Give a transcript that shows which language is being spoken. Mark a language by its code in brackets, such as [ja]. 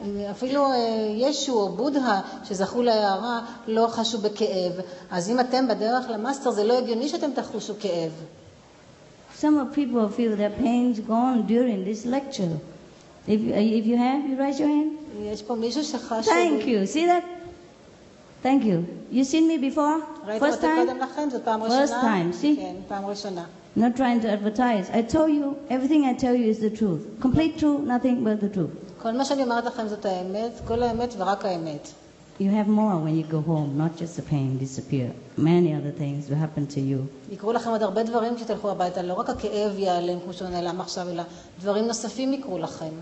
[he] אפילו ישו או בודהה שזכו להערה לא חשו בכאב. אז אם אתם בדרך למאסטר, זה לא הגיוני שאתם תחושו כאב. [en] Some people feel their pain's gone during this lecture. If you have, you raise your hand. [he] יש פה מישהו שחש? [en] Thank you. See that? Thank you. You seen me before? First time? [he] קודם לכן, זאת פעם ראשונה. [en] First time, see? [he] כן, פעם ראשונה. [en] Not trying to advertise. I told you, everything I tell you is the truth. Complete truth, nothing but the truth. [he] כל מה שאני אומרת לכם זאת האמת, כל האמת ורק האמת. [en] You have more when you go home, not just the pain disappear. Many other things will happen to you. [he] יקרו לכם עוד הרבה דברים כשתלכו הביתה, לא רק הכאב ייעלם כמו שהוא נעלם עכשיו, אלא דברים נוספים יקרו לכם.